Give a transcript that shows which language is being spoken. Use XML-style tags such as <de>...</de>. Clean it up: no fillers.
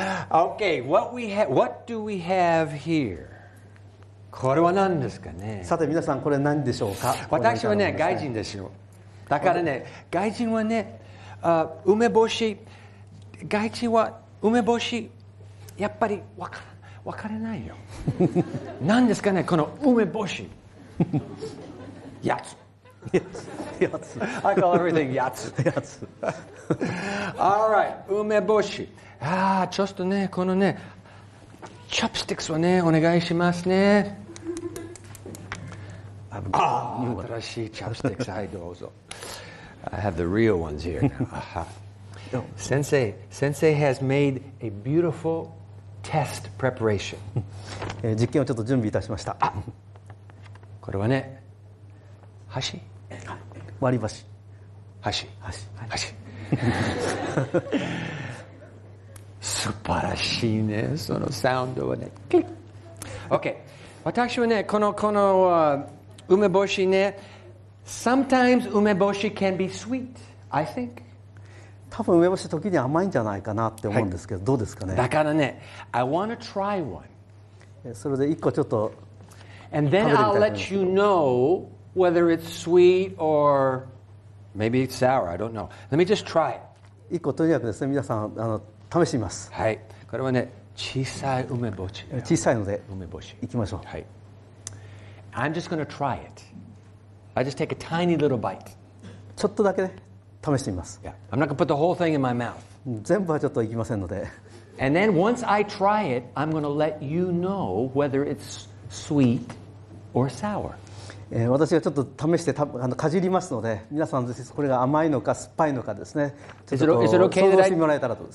<en>Okay, what do we have here?</en> <ja>これは何ですかね。さて皆さんこれ何でしょうか。私はね外人ですよ。だからね外人はね梅干し、外人は梅干しやっぱり分からないよ。何ですかねこの梅干し。やつ。やつ。</ja> <en>I call everything やつ。</en> <ja>やつ。</ja> <en>All right 梅干し。</en> <ja>ああちょっとねこのねチョップスティックスはねお願いしますね。新しいチョップスティックス、はいどうぞ。</ja> <en>I have the real ones here. 先生 has made a beautiful test preparation.</en> <ja>実験をちょっと準備いたしました。これはね、箸、割り箸、箸。素晴らしいね、そのサウンドはね。</ja> <en>OK、</en> <ja>私はね、この梅干しね、</ja> <en>Sometimes 梅干し can be sweet, I think.</en> <ja>多分梅干し時に甘いんじゃないかなって思うんですけど、はい、どうですかね。だからね、</ja> <en>I want to try one.</en> <ja>それで一個ちょっと</ja> <en>And then I'll let you know whether it's sweet or maybe it's sour. I don't know. Let me just try it.</en> <ja>一個とにかくですね、皆さん試してみます。はい。これはね、小さい梅干し。小さいので梅干し。行きましょう。</ja> <en>はい。I'm just going to try it. I just take a tiny little bite.</en> <ja>ちょっとだけ、ね、試してみます。</ja> <en>Yeah. I'm not going to put the whole thing in my mouth.</en> <ja>全部はちょっといきませんので。</ja> <en>And then once I try it, I'm going to let you know whether it's sweet or sour.</en> <ja>私がちょっと試してかじりますので、皆さんぜひこれが甘いのか酸っぱいのかですね。</ja> <en>Is it okay</en> <ja>想像してもらえたらと。</ja>